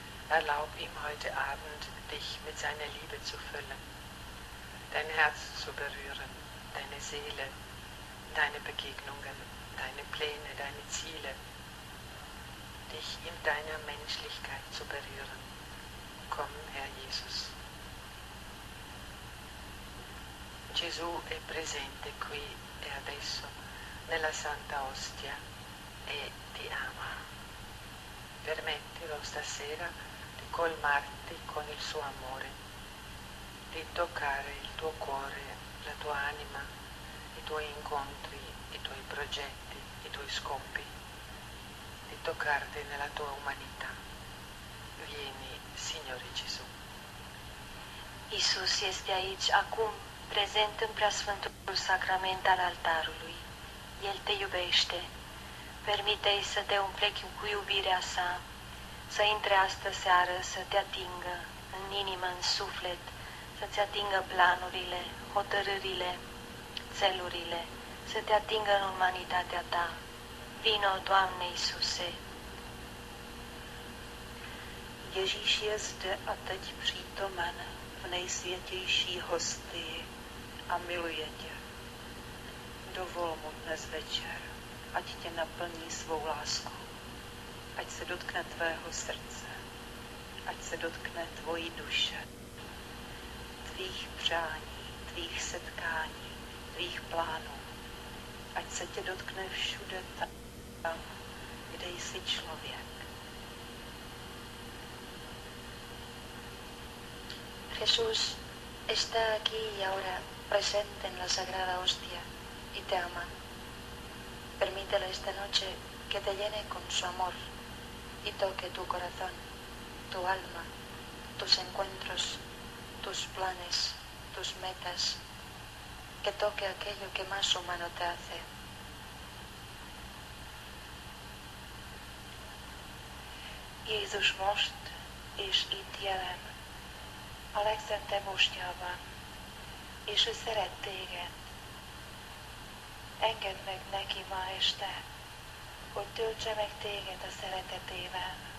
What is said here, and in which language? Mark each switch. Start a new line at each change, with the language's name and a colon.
German: Erlaub ihm heute Abend, dich mit seiner Liebe zu füllen, dein Herz zu berühren, deine Seele, deine Begegnungen, deine Pläne, deine Ziele, dich in deiner Menschlichkeit zu berühren. Komm, Herr Jesus.
Italian: Gesù è presente qui e adesso nella Santa Ostia e ti ama. Permettilo stasera di colmarti con il suo amore, di toccare il tuo cuore, la tua anima, i tuoi incontri, i tuoi progetti, i tuoi scopi, di toccarti nella tua umanità. Vieni, Signore Gesù.
Romanian: Isus este aici acum, prezent în preasfântul sacrament al altarului. El te iubește. Permite-i să te umple cu iubirea sa, să intre astă seară, să te atingă în inimă, în suflet, să-ți atingă planurile, hotărârile, țelurile, să te atingă în umanitatea ta. Vino, Doamne Isuse!
Czech: Ježíš je zde a teď přítomen v nejsvětější hostii a miluje tě. Dovol mu dnes večer, ať tě naplní svou láskou, ať se dotkne tvého srdce, ať se dotkne tvojí duše, tvých přání, tvých setkání, tvých plánů, ať se tě dotkne všude tam, kde jsi člověk.
Spanish: Jesús está aquí y ahora presente en la Sagrada Hostia y te ama. Permítele esta noche que te llene con su amor y toque tu corazón, tu alma, tus encuentros, tus planes, tus metas, que toque aquello que más humano te hace.
Hungarian: Jézus most és itt jelen, a legszentebb mostjában, és ő szeret téged. Engedd meg neki ma este, hogy töltse meg téged a szeretetével.